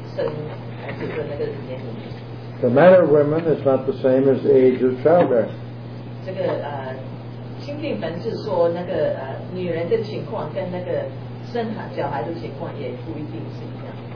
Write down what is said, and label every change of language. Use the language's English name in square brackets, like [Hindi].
[Chinese] 是你如果这样比较好，那个新的钦定本跟钦定本有它的地方，就是他说那个撒拉已经过了那个生孩子的那个年龄。 [English] The manner of women is not the same as the age of childbearing. [Chinese] 这个清定本是说那个女人的情况跟那个生小孩的情况也不一定是一样。